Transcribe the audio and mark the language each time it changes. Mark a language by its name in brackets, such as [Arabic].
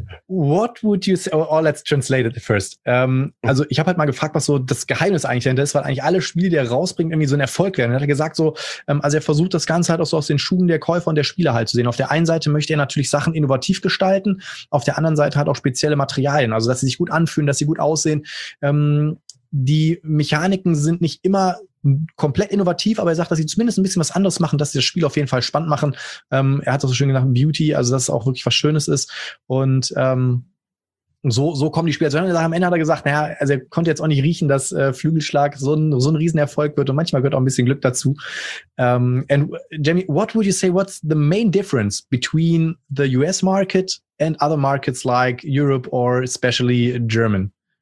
[English] What would you say, or let's translate it first. [German] Also ich habe halt mal gefragt, was so das Geheimnis eigentlich dahinter ist, weil eigentlich alle Spiele, die er rausbringt, irgendwie so ein Erfolg werden. Er hat gesagt so, also er versucht das Ganze halt auch so aus den Schuhen der Käufer und der Spieler halt zu sehen. Auf der einen Seite möchte er natürlich Sachen innovativ gestalten, auf der anderen Seite halt auch spezielle Materialien, also dass sie sich gut anfühlen, dass sie gut aussehen. Die Mechaniken sind nicht immer komplett innovativ, aber er sagt, dass sie zumindest ein bisschen was anderes machen, dass sie das Spiel auf jeden Fall spannend machen. Er hat das so schön gesagt, Beauty, also dass es auch wirklich was Schönes ist. Und so kommen die Spieler zusammen. Also, am Ende hat er gesagt, naja, also er konnte jetzt auch nicht riechen, dass Flügelschlag so ein Riesenerfolg wird, und manchmal gehört auch ein bisschen Glück dazu. [English] And Jamie, what would you say, what's the main difference between the US market and other markets like Europe or especially German?